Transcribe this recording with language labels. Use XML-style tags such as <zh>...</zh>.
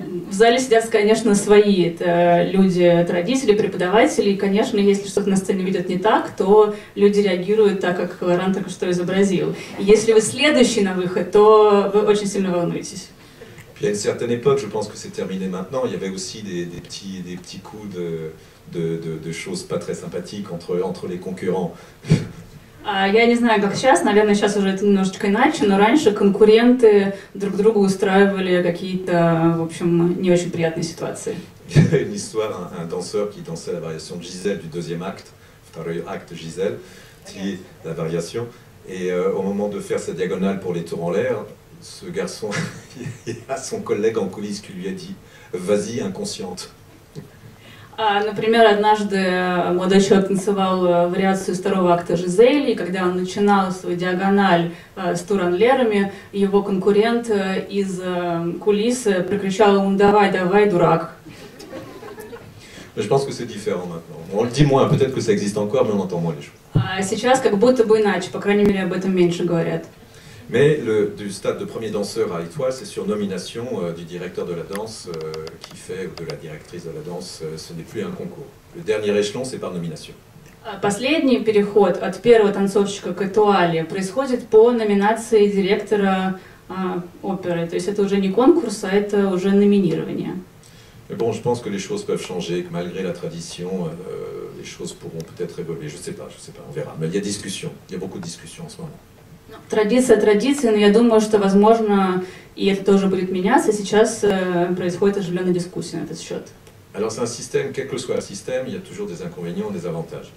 <ru>В зале сидят, конечно, свои это люди, это родители, преподаватели. И, конечно, если что-то на сцене видят не так, то люди реагируют так, как Лоран только что изобразил. И если вы следующий на выход, то вы очень сильно волнуетесь.</ru> <fr>Puis à une certaine époque, je pense que c'est terminé maintenant, il y avait aussi des petits coups de choses pas très sympathiques entre les concurrents.</fr> <ru>Я не знаю, как сейчас, наверное, сейчас уже это немножечко иначе, но раньше конкуренты друг другу устраивали какие-то, в общем, не очень приятные ситуации.</ru> <fr>Une histoire, un danseur qui dansait la variation de Gisèle du deuxième acte,</fr> <ru>второй акт</ru> <fr>Gisèle, qui est la variation, et au moment de faire sa diagonale pour les tours en l'air, ce garçon a son collègue en coulisses qui lui a dit « Vas-y, inconsciente ».</fr> <ru>Например, однажды молодой человек танцевал вариацию второго акта Жизель, и когда он начинал свой диагональ с туранлерами, его конкурент из кулис прокричал ему: «Давай, давай, дурак!»</ru> <fr>Je pense que c'est différent maintenant. On le dit moins, peut-être que ça existe encore, mais on entend moins les choses.</fr> <ru>Сейчас как будто бы иначе, по крайней мере, об этом меньше говорят.</ru> <fr>Mais du stade de premier danseur à Étoile, c'est sur nomination du directeur de la danse qui fait, ou de la directrice de la danse, ce n'est plus un concours. Le dernier échelon, c'est par nomination.</fr> <ru>Последний переход от первого танцовщика к Этуале происходит по номинации директора оперы. То есть это уже не конкурс, а это уже номинирование.</ru> <fr>Mais bon, je pense que les choses peuvent changer, que malgré la tradition, les choses pourront peut-être évoluer. Je ne sais pas, on verra. Mais il y a discussion, il y a beaucoup de discussion en ce moment.</fr> <ru>Традиция традиции, но я думаю, что возможно, и это тоже будет меняться, сейчас происходит оживленная дискуссия на этот счет.</ru> <fr>Alors c'est un système, quel que soit le système, il y a toujours des inconvénients, des avantages.</fr>